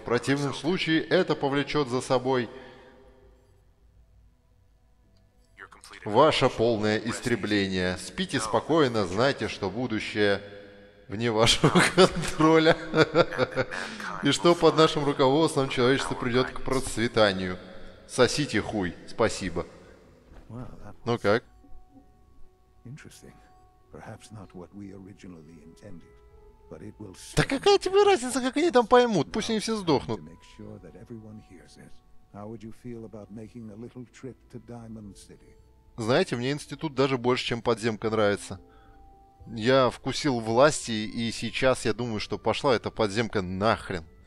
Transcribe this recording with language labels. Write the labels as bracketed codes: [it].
[ru] В противном случае это повлечет за собой ваше полное истребление. Спите спокойно, знайте, что будущее вне вашего контроля. И что под нашим руководством человечество придет к процветанию. Сосите хуй, спасибо. Ну как? [en] Perhaps not what we originally intended, but it will. [ru] Да какая тебе разница, как они там поймут? Пусть они все сдохнут. [en] Make sure that everyone hears it. How would you feel about making a little trip to Diamond City? [ru] Знаете, мне институт даже больше, чем подземка нравится. Я вкусил власти, и сейчас я думаю, что пошла эта подземка нахрен.